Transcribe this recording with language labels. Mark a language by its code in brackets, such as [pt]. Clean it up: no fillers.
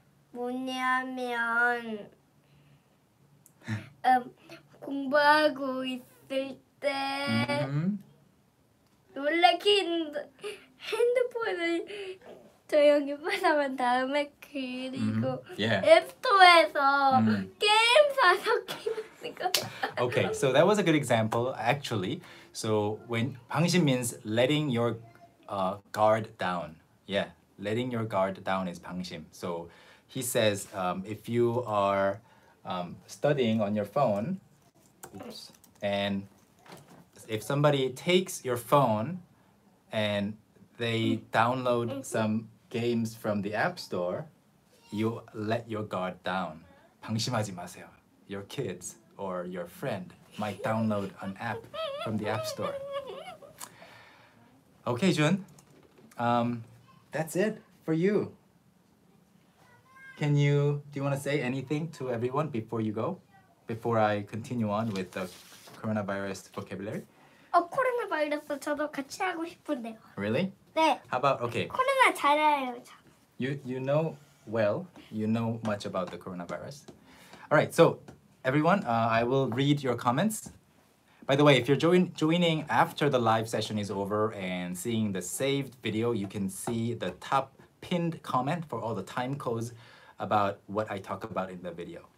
[ko] 뭐냐면 공부하고 있을 때 원래 핸드폰을 조용히 받아만 다음에 그리고 앱스토어에서 게임 사서 [en] Okay, so that was a good example, actually. So when 방심 means letting your guard down. Yeah, letting your guard down is 방심. So he says if you are studying on your phone, oops, and if somebody takes your phone and they download some games from the app store, you let your guard down. [ko] 방심하지 마세요. [en] Your kids or your friend might download an app from the app store. Okay, Jun, that's it for you. Do you want to say anything to everyone before you go? Before I continue on with the coronavirus vocabulary? [ko] 코로나바이러스 저도 같이 하고 싶은데요. [en] Really? [ko] 네. [en] How about, okay. [ko] 코로나 잘 알아요, 저. [en] You know well, you know much about the coronavirus. All right, so everyone, I will read your comments. By the way, if you're joining after the live session is over and seeing the saved video, you can see the top pinned comment for all the time codes about what I talk about in the video.